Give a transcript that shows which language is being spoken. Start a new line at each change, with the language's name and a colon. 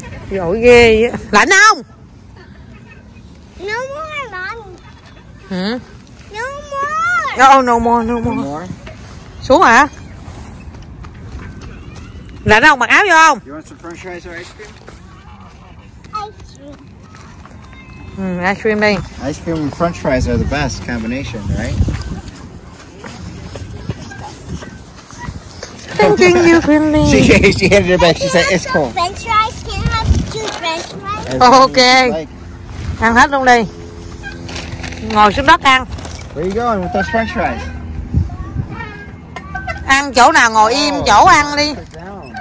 Vietnamese: Giỏi ghê vậy. Lạnh không?
English: No more
Vietnamese: lạnh.
English: No more. Oh, no more, no more. No more.
Vietnamese: Xuống hả? Lạnh không? Mặc áo vô không?
English: You want some french fries or ice cream?
Vietnamese: Ice cream đi.
English: Ice cream and french fries are the best combination, right? Thinking you can leave. She handed it back. She said, it's cool. French fries, can I have two french fries? Oh, okay. Like.
Vietnamese: Ăn hết luôn đi. Ngồi xuống đất ăn.
English: Where are you going with those french fries?
Vietnamese: Ăn chỗ nào ngồi im, chỗ ăn đi.